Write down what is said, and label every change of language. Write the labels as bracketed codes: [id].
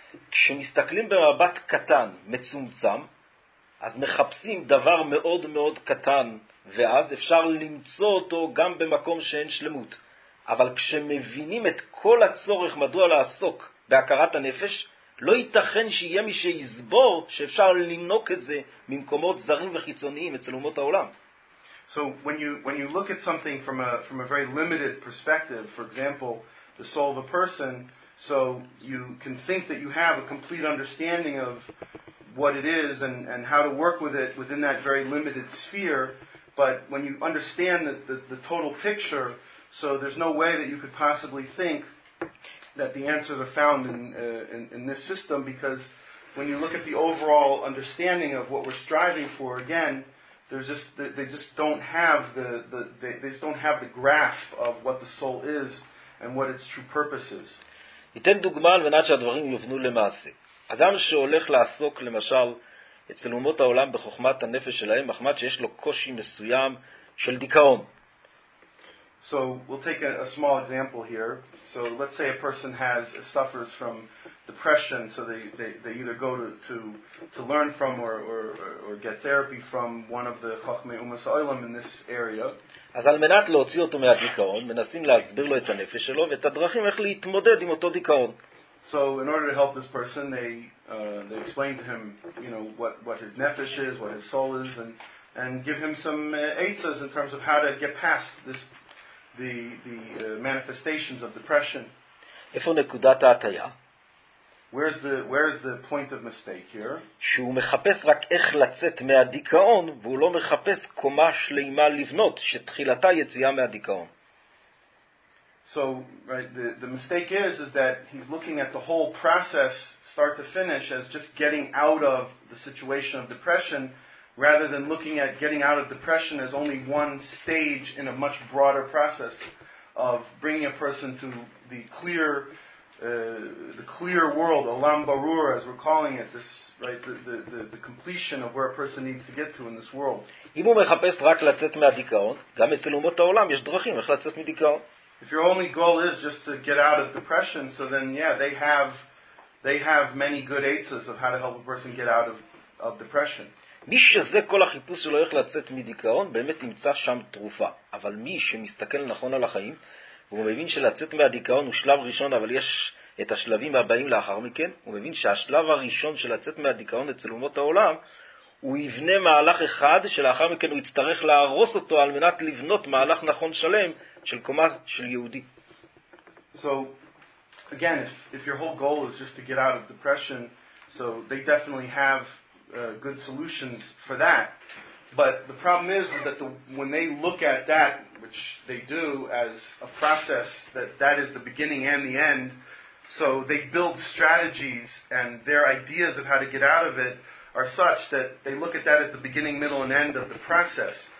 [he] כשמסתכלים במבט קטן, מצומצם, אז מחפשים דבר מאוד מאוד קטן, ואז אפשר למצוא אותו גם במקום שאין שלמות. אבל כשמבינים את כל הצורך מדוע לעסוק בהכרת הנפש, לא ייתכן שיהיה מי שיסבור שאפשר לנוק את זה ממקומות זרים וחיצוניים אצל אומות העולם. [en] So when you look at something from a very limited perspective, for example, the soul of a person, so you can think that you have a complete understanding of what it is and how to work with it within that very limited sphere, but when you understand the total picture, so there's no way that you could possibly think that the answers are found in this system, because when you look at the overall understanding of what we're striving for, again, they just don't have the grasp of what the soul is and what its true purpose is. [he] ייתן דוגמה על מנת שהדברים יובנו למעשה. אדם שהולך לעסוק למשל אצל אומות העולם בחוכמת הנפש שלהם, מחמת שיש לו קושי מסוים של דיכאון. [en] So we'll take a small example here. So let's say a person suffers from depression, so they either go to learn from or get therapy from one of the Chachmei Umas Olam in this area. [he] אז על מנת להוציא אותו מהדיכאון, מנסים להסביר לו את הנפש שלו ואת הדרכים איך להתמודד עם אותו דיכאון. [en] So in order to help this person, they explain to him, you know, what his nefesh is, what his soul is, and give him some aitzas in terms of how to get past this the manifestations of depression. [he] איפה נקודת ההטעיה? [en] Where's the point of mistake here? [he] שהוא מחפש רק איך לצאת מהדיכאון, והוא לא מחפש קומה שלמה לבנות שתחילתה יציאה מהדיכאון. [en] So right, the mistake is that he's looking at the whole process start to finish as just getting out of the situation of depression, rather than looking at getting out of depression as only one stage in a much broader process of bringing a person to the clear world, olam barur, as we're calling it, this right, the completion of where a person needs to get to in this world. [he] אם הוא מחפש רק לצאת מהדיכאון, גם אצל אומות העולם יש דרכים איך לצאת מדיכאון. [en] If your only goal is just to get out of depression, so then yeah, they have many good aitzas of how to help a person get out of depression. [he] מי שזה כל החיפוש שלו איך לצאת מדיכאון, באמת ימצא שם תרופה. אבל מי שמסתכל נכון על החיים, והוא מבין שלצאת מהדיכאון הוא שלב ראשון, אבל יש את השלבים הבאים לאחר מכן, הוא מבין שהשלב הראשון של לצאת מהדיכאון אצל אומות העולם, הוא יבנה מהלך אחד שלאחר מכן הוא יצטרך להרוס אותו על מנת לבנות מהלך נכון שלם של קומה של יהודי. [en] So, again, if your whole goal is just to get out of depression, so they definitely have good solutions for that. But the problem is that when they look at that, which they do as a process, that is the beginning and the end, so they build strategies and their ideas of how to get out of it are such that they look at that as the beginning, middle, and end of the process.